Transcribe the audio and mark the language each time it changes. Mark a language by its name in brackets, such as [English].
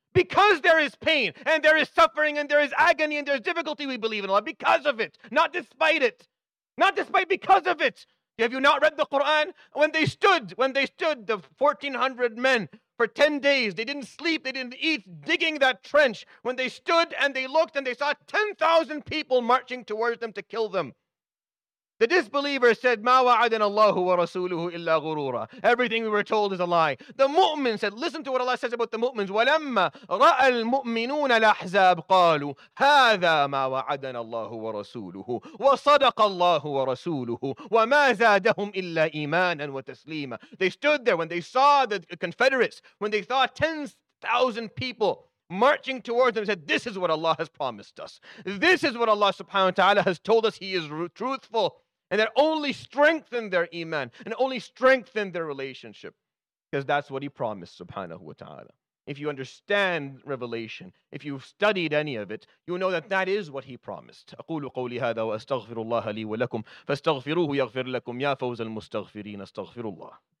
[English] Because there is pain and there is suffering and there is agony and there is difficulty, we believe in Allah because of it, not despite it. Not despite because of it. Have you not read the Quran? When they stood, the 1400 men, for 10 days, they didn't sleep, they didn't eat, digging that trench. When they stood and they looked and they saw 10,000 people marching towards them to kill them. The disbelievers said, [Arabic] مَا وَعَدَنَ اللَّهُ وَرَسُولُهُ إِلَّا غُرُورًا. [English] Everything we were told is a lie. The mu'min said, listen to what Allah says about the mu'mins. [Arabic] وَلَمَّا رَأَى الْمُؤْمِنُونَ الْأَحْزَابِ قَالُوا هَذَا مَا وَعَدَنَ اللَّهُ وَرَسُولُهُ وَصَدَقَ اللَّهُ وَرَسُولُهُ وَمَا زَادَهُمْ إِلَّا إِيمَانًا وَتَسْلِيمًا. [English] They stood there when they saw the Confederates, when they saw 10,000 people marching towards them, said, this is what Allah has promised us. This is what Allah subhanahu wa ta'ala has told us. He is truthful. And that only strengthened their iman and only strengthened their relationship. Because that's what he promised subhanahu wa ta'ala. If you understand revelation, if you've studied any of it, you know that that is what he promised. [Arabic] أقول قولي هذا وأستغفر الله لي ولكم فاستغفروه يغفر لكم يا فوز المستغفرين استغفر الله.